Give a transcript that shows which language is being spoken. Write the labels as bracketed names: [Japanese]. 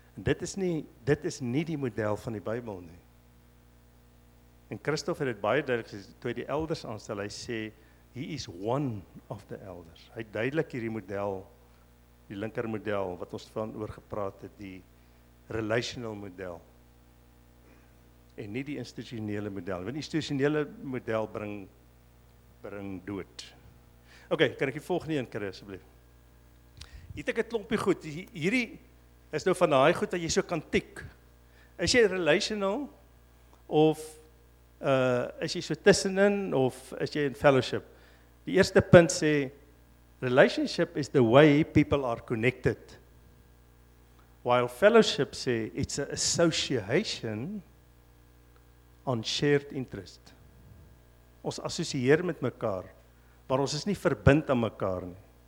[Afrikaans] En dit is nie die model van die Bybel nie. En Christof het dit baie duidelik gesê, toe hy die elders aanstel, hy sê, [English] he is one of the elders. [Afrikaans] Hy duidelik hierdie model, die linker model, wat ons van oor gepraat het, die relational model, en nie die institutionele model. Want die institutionele model bring dood. Ok, kan ek die volgende een kry, asseblief? Hier het ek 'n klompie goed. Hierdie is nou van die goed dat jy so kan tik. Is jy relational, of is jy so tussenin of is jy in fellowship? Die eerste punt sê, [English] relationship is the way people are connected. While fellowship [Afrikaans] sê, [English] it's an association on shared interest. [Afrikaans] Ons assosieer met mekaar, maar ons is nie verbind aan mekaar nie.